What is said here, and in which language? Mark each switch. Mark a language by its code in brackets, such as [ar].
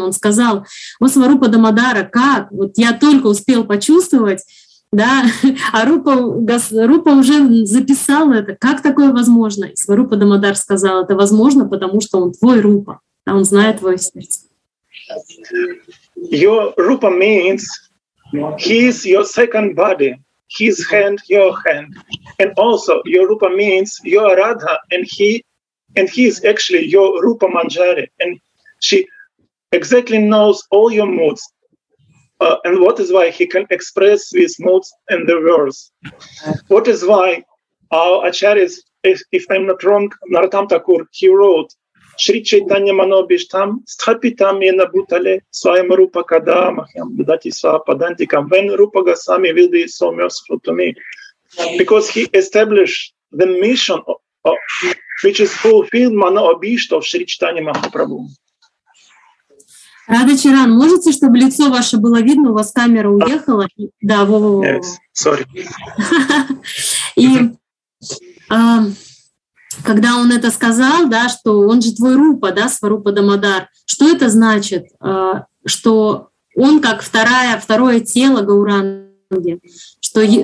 [ru] Он сказал: «О, Сварупа Дамодара, как? Вот я только успел почувствовать, да, а Рупа уже записал это. Как такое возможно?» И Сварупа Дамодар сказал: «Это возможно, потому что он твой Рупа, да, он знает твое сердце». [en] Your Rupa means he is your second body, his hand, your hand. And also your Rupa means your Radha, and he is actually your Rupa Manjari. And she exactly knows all your moods. And what is why he can express these moods in the verse. What is why our acharyas, if I'm not wrong, Narottam Thakur, he wrote, [sa] Shri Chaitanya Manobhishtam Sthapitam Yena Bhutale Swayam Rupa Kadamahyam Dadati Svapadantikam, [en] when Rupa Goswami will be so merciful to me. Because he established the mission which is fulfilled Manobhishtam Shri Chaitanya Mahaprabhu. [ru] Рада Чаран, можете, чтобы лицо ваше было видно? У вас камера уехала. Да, во-во-во. [en] Yes, sorry. [ru] И когда он это сказал, да, что он же твой Рупа, да, Сварупа Дамодар, что это значит, что он как второе тело Гауранги, что